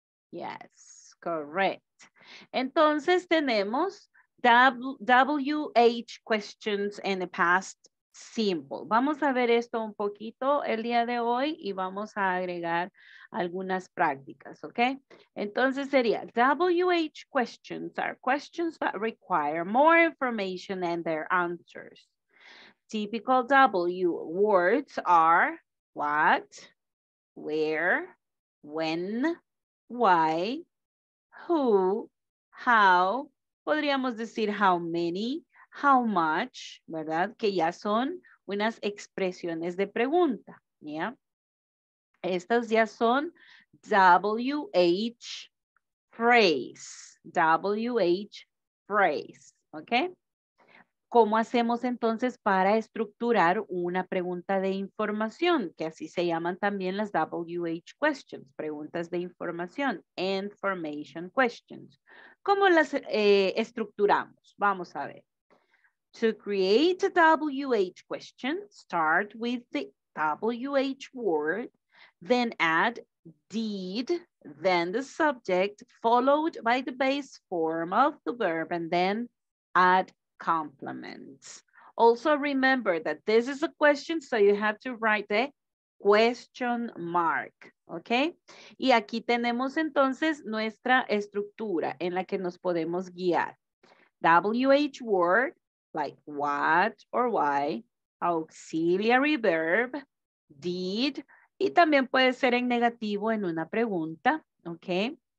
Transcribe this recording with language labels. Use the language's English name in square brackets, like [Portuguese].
[English] Yes, correct. [Spanish] Entonces tenemos [English] WH questions in the past simple. [Spanish] Vamos a ver esto un poquito el día de hoy y vamos a agregar algunas prácticas, ¿ok? Entonces sería [English] WH questions are questions that require more information than their answers. Typical W words are what, where, when, why, who, how, [Spanish] podríamos decir [English] how many, how much, ¿verdad? [Spanish] Que ya son unas expresiones de pregunta, ¿ya? Yeah. Estas ya son WH phrase, WH phrase, ¿ok? ¿Cómo hacemos entonces para estructurar una pregunta de información? Que así se llaman también las WH questions, preguntas de información, [English] information questions. [Spanish] ¿Cómo las estructuramos? Vamos a ver. [English] To create a WH question, start with the WH word, then add did, then the subject, followed by the base form of the verb, and then add compliments. Also remember that this is a question, so you have to write the question mark, okay? [Spanish] Y aquí tenemos entonces nuestra estructura en la que nos podemos guiar. [English] WH word, like what or why, auxiliary verb, did, [Spanish] y también puede ser en negativo en una pregunta, okay?